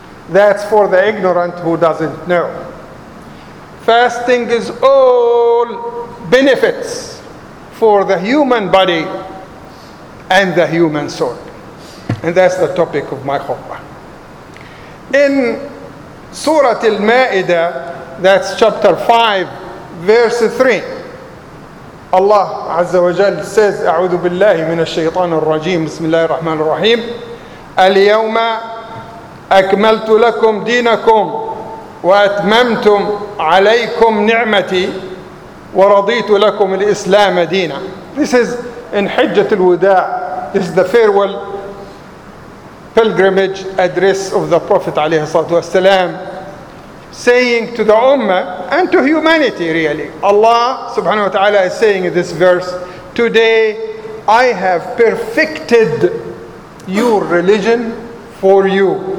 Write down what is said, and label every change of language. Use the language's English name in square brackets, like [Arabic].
[English] That's for the ignorant who doesn't know. Fasting is all benefits for the human body and the human soul. And that's the topic of my khutbah. In Surah Al-Ma'idah, that's chapter 5, verse 3, Allah Azza wa Jal says, [Arabic] أعوذ بالله من الشيطان الرجيم بسم الله الرحمن الرحيم اليوم أكملت لكم دينكم وأتممتم عليكم نعمتي ورضيت لكم الإسلام دينا. [English] This is in [Arabic] حجة الوداع. [English] This is the farewell pilgrimage address of the Prophet عليه الصلاة والسلام, saying to the Ummah and to humanity really. Allah subhanahu wa ta'ala is saying in this verse, today I have perfected your religion for you.